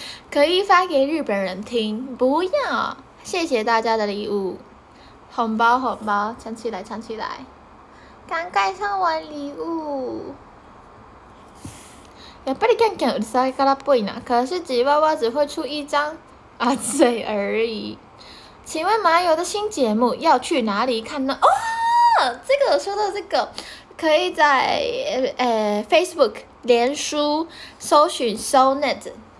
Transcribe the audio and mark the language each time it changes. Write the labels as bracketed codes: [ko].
[zh] 可以发给日本人听，不要，谢谢大家的礼物，红包红包，抢起来抢起来，刚盖上完礼物。 [ja] やっぱりキャンキャンうるさいからっぽいな。 [zh] 可是吉娃娃只会出一张啊嘴而已。请问麻油的新节目要去哪里看呢？哦，这个说到这个，可以在Facebook 脸书搜寻 SoNet。